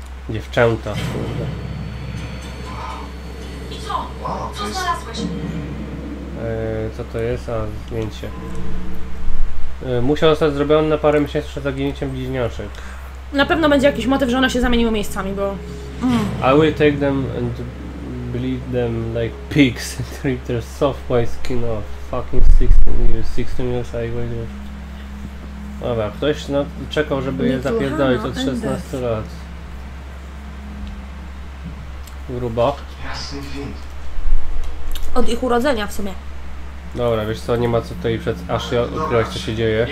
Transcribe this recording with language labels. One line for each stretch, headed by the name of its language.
Polish: Dziewczęta. I co? Co znalazłeś? Co to jest? A, zdjęcie. Musiał zostać zrobiony na parę miesięcy przed zaginięciem bliźniaczek. Na pewno będzie jakiś motyw, że one się zamieniły miejscami, bo...
English: I will take them and bleed them like pigs and rip their soft white skin off. Fucking 16 years I waited.
Polish: Dobra, ktoś czekał, żeby je zapierdolić od 16 lat. Grubo. Jasny gwint. Od ich urodzenia w sumie. Dobra, wiesz co, nie ma co tutaj przed Ashley odkryłaś, co się dzieje.